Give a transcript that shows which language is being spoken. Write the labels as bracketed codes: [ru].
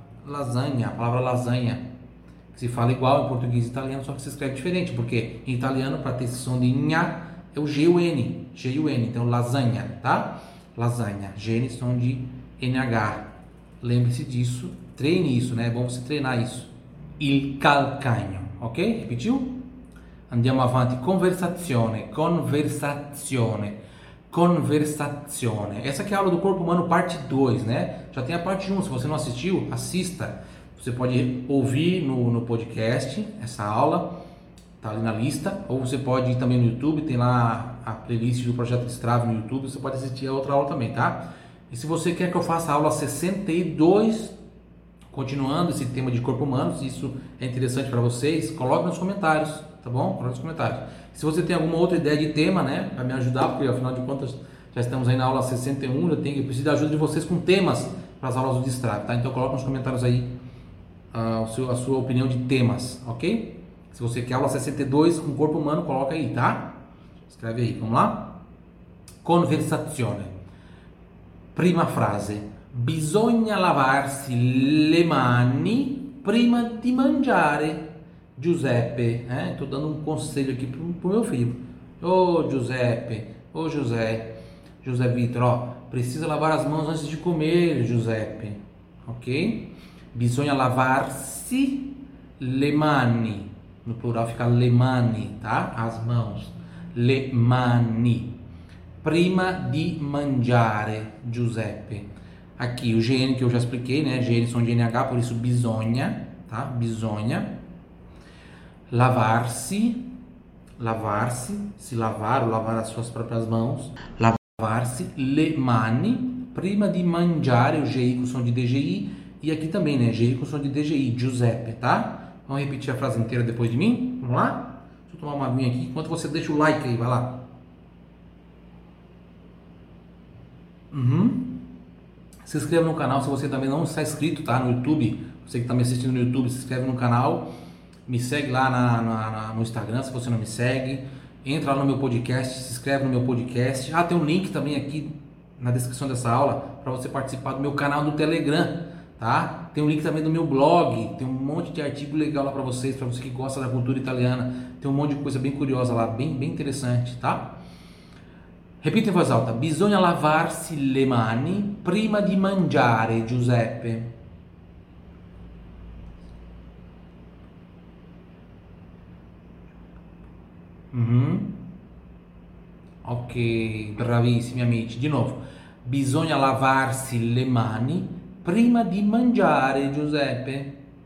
[pt] Lasanha, a palavra lasanha, que se fala igual em português e italiano, só que se escreve diferente, porque em italiano, para ter esse som de nha, é o G e o N, G e o N, então lasanha, tá? Lasanha, G e som de NH, lembre-se disso, treine isso, né? É bom você treinar isso. [it] Il calcagno, ok? [pt] Repetiu? [it] Andiamo avanti, conversazione. [pt] Essa aqui é a aula do corpo humano parte 2, né? Já tem a parte 1, se você não assistiu, assista. Você pode ouvir no podcast essa aula, tá ali na lista, ou você pode ir também no YouTube, tem lá a playlist do projeto Strava no YouTube, você pode assistir a outra aula também, tá? E se você quer que eu faça a aula 62, continuando esse tema de corpo humano, se isso é interessante para vocês, coloque nos comentários, tá bom? Coloque nos comentários. Se você tem alguma outra ideia de tema, né, para me ajudar, porque afinal de contas já estamos aí na aula 61, eu preciso da ajuda de vocês com temas para as aulas do Distrato, tá? Então coloque nos comentários aí a sua opinião de temas, ok? Se você quer aula 62 com corpo humano, coloca aí, tá? Escreve aí, vamos lá? [it] Conversazione. Prima frase. Bisogna lavarsi le mani prima di mangiare. [pt] Giuseppe, estou dando um conselho aqui para o meu filho. José Vitor, ó, precisa lavar as mãos antes de comer, Giuseppe. Ok? [it] Bisogna lavarsi le mani. [pt] No plural fica [it] le mani, [pt] tá? As mãos. [it] Le mani. Prima di mangiare, [pt] Giuseppe. Aqui o GN que eu já expliquei, né? GN são de NH, por isso bisogna. tá? [it] Bisogna. Lavarsi. Lavarsi. Si lavare, lavare [pt] as suas próprias mãos. [it] Lavarsi le mani prima di mangiare. [pt] O GI com som de DGI. E aqui também, né? GI com som de DGI. Giuseppe, tá? Vamos repetir a frase inteira depois de mim? Vamos lá? Deixa eu tomar uma aguinha aqui. Enquanto você deixa o like aí, vai lá. Se inscreva no canal se você também não está inscrito, tá? No YouTube. Você que está me assistindo no YouTube, se inscreve no canal. Me segue lá no Instagram, se você não me segue. Entra lá no meu podcast, se inscreve no meu podcast. Ah, tem um link também aqui na descrição dessa aula para você participar do meu canal do Telegram, tá? Tem um link também do meu blog. Tem um monte de artigo legal lá para vocês, para você que gosta da cultura italiana. Tem um monte de coisa bem curiosa lá, bem, bem interessante, tá? Repita em voz alta. [it] Bisogna lavarsi le mani prima di mangiare, Giuseppe. Ok, bravissimi amici. Di nuovo. Bisogna lavarsi le mani prima di mangiare, Giuseppe.